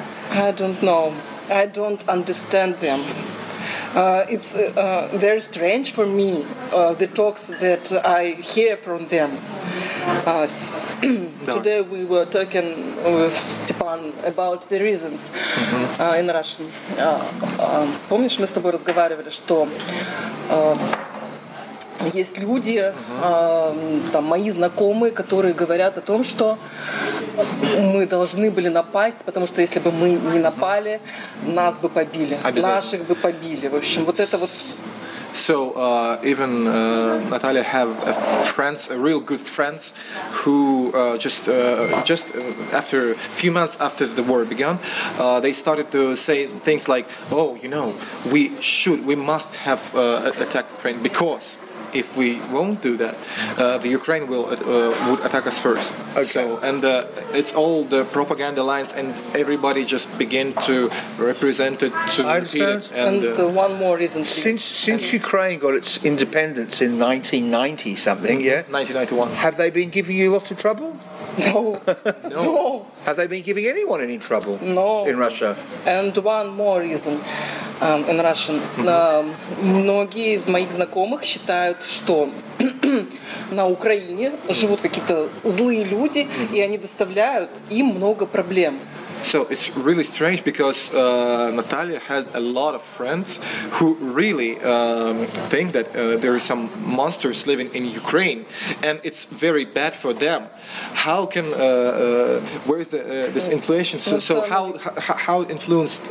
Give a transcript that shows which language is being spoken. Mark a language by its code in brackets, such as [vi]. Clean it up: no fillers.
[en] I don't know. I don't understand them. It's very strange for me, the talks that I hear from them. today we were talking with Степан about the reasons in Russian. [ru] Помнишь, мы с тобой разговаривали, что есть люди, там мои знакомые, которые говорят о том, что мы должны были напасть, потому что если бы мы не напали, нас бы побили, наших бы побили. В общем, вот это вот. [en] So even Natalia have friends, a real good friends, who just after a few months after the war began, they started to say things like, "Oh, you know, we must have attacked Ukraine because." If we won't do that, the Ukraine would attack us first. Okay. So, and it's all the propaganda lines, and everybody just begin to represent it to repeat it. And one more reason. Please. Since Ukraine got its independence in 1990 something, mm-hmm. yeah, 1991. Have they been giving you lots of trouble? No. No. Have they been giving anyone any trouble? No. In Russia. And one more reason. In Russian. [ru] Многие из моих знакомых считают, что на Украине живут какие-то злые люди, и они доставляют им много проблем. [en] So it's really strange because Natalia has a lot of friends who really think that there are some monsters living in Ukraine, and it's very bad for them. How can where is the this inflation? So how influenced?